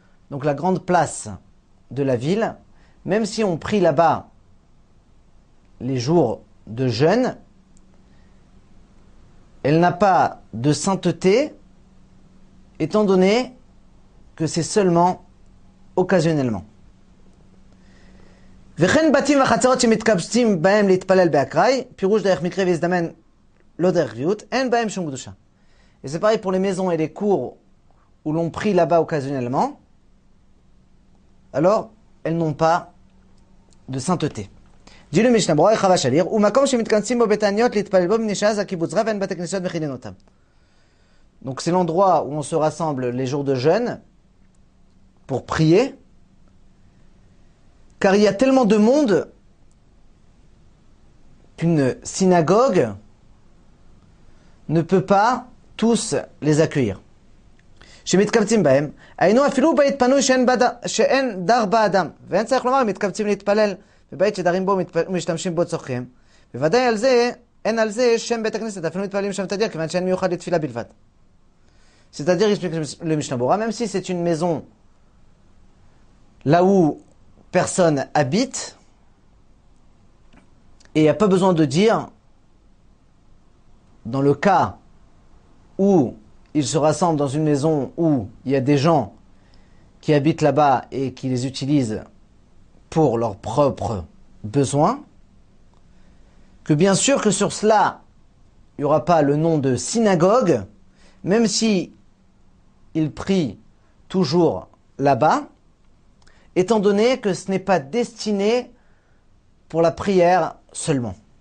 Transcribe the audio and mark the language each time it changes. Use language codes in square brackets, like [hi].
[fr] Donc la grande place de la ville, même si on prie là-bas les jours de jeûne, elle n'a pas de sainteté, étant donné que c'est seulement occasionnellement. [he] וכן בתים וחצרות שמתקבצים בהם להתפלל באקראי, פירוש דרך מקרה והזדמן לא דרך ריות, אין בהם שום קדושה. [fr] Et c'est pareil pour les maisons et les cours où l'on prie là-bas occasionnellement, alors elles n'ont pas de sainteté. [he] דיו למשנה ברורה רחבה של עיר, ומקום שמתכנסים בו בתעניות להתפלל בו מנשאה זה הקיבוץ רב, אין בתי כנסיות מכינים אותם. [fr] Donc c'est l'endroit où on se rassemble les jours de jeûne pour prier. Car il y a tellement de monde qu'une synagogue ne peut pas tous les accueillir. [he] שמתכבצים בהם, היינו אפילו בית פנוי שאין דר באדם, ואין צריך לומר, מתכבצים להתפלל בבית שדרים בו ומשתמשים בו צורכים, ובוודאי על זה, אין על זה שם בית הכנסת, אפילו מתפללים שם תדיר, כיוון שאין מיוחד לתפילה בלבד. [fr] C'est-à-dire, il explique le Mishnah Berurah, même si c'est une maison là où personne habite, et il n'y a pas besoin de dire, dans le cas où ils se rassemblent dans une maison où il y a des gens qui habitent là-bas et qui les utilisent pour leurs propres besoins, que bien sûr que sur cela, il n'y aura pas le nom de synagogue, même si il prie toujours là-bas, étant donné que ce n'est pas destiné pour la prière seulement.